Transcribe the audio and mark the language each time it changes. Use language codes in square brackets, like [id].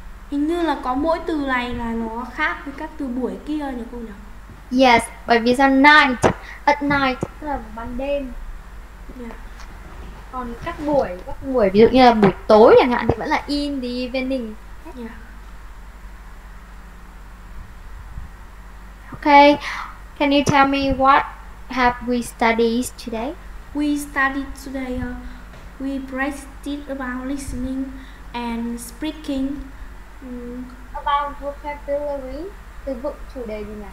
[vi] Hình như là có mỗi từ này là nó khác với các từ buổi kia nhỉ cô nhỉ? Yes, bởi vì sao night, [en] at night [vi] tức là ban đêm. [en] Yeah. [vi] Còn các buổi ví dụ như là buổi tối chẳng hạn thì vẫn là [en] in the evening. Yeah. Okay, can you tell me what have we studied today? We studied today, we practiced about listening and speaking. About vocabulary, [vi] từ vựng chủ đề gì nhỉ?